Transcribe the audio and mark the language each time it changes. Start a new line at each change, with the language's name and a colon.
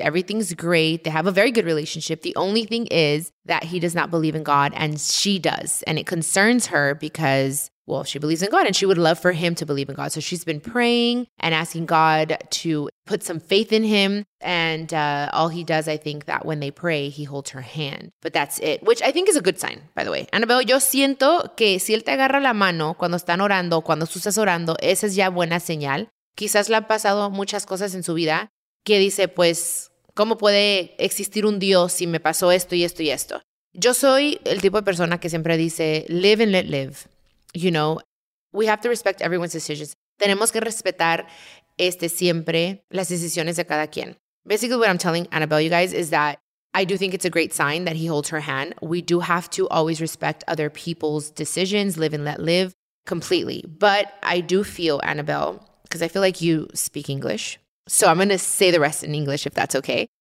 English: Everything's great. They have a very good relationship. The only thing is that he does not believe in God, and she does. And it concerns her because, well, she believes in God, and she would love for him to believe in God. So she's been praying and asking God to put some faith in him. And all he does, I think, that when they pray, he holds her hand. But that's it, which I think is a good sign, by the way.
Spanish: Annabelle, yo siento que si él te agarra la mano cuando están orando, cuando tú estás orando, esa es ya buena señal. Quizás le han pasado muchas cosas en su vida que dice, pues, ¿cómo puede existir un Dios si me pasó esto y esto y esto? Yo soy el tipo de persona que siempre dice,
English: live and let live. You know, we have to respect everyone's decisions.
Spanish: Tenemos que respetar siempre las decisiones de cada quien.
English: Basically, what I'm telling Annabelle, you guys, is that I do think it's a great sign that he holds her hand. We do have to always respect other people's decisions, live and let live completely. But I do feel, Annabelle, because I feel like you speak English, so I'm going to say the rest in English if that's okay.